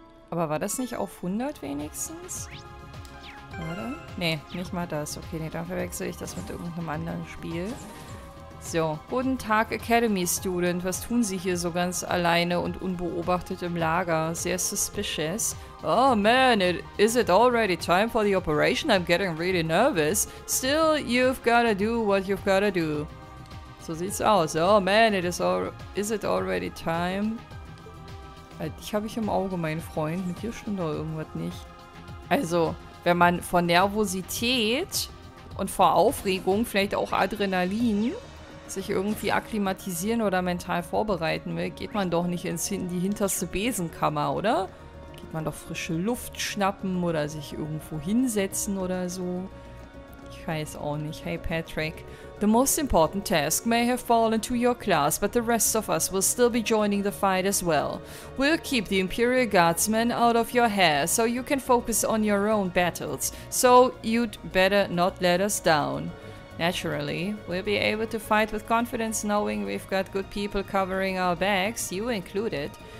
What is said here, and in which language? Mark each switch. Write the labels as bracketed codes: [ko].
[de] Aber war das nicht auf 100 wenigstens? Oder? Nee, nicht mal das. Okay, nee, dafür wechsle ich das mit irgendeinem anderen Spiel. So, guten Tag Academy Student. Was tun Sie hier so ganz alleine und unbeobachtet im Lager? Sehr suspicious. [en] Oh man, is it already time for the operation? I'm getting really nervous. Still, you've gotta do what you've gotta do. [de] So sieht's aus. [en] Oh man, is it already time? [de] Ich habe im Auge, mein Freund. Mit dir stimmt doch irgendwas nicht. Also, wenn man vor Nervosität und vor Aufregung, vielleicht auch Adrenalin, sich irgendwie akklimatisieren oder mental vorbereiten will, geht man doch nicht in die hinterste Besenkammer, oder? Geht man doch frische Luft schnappen oder sich irgendwo hinsetzen oder so? Ich weiß auch nicht. Hey, Patrick. [en] The most important task may have fallen to your class, but the rest of us will still be joining the fight as well. We'll keep the Imperial Guardsmen out of your hair, so you can focus on your own battles. So you'd better not let us down. Naturally, we'll be able to fight with confidence knowing we've got good people covering our backs, you included.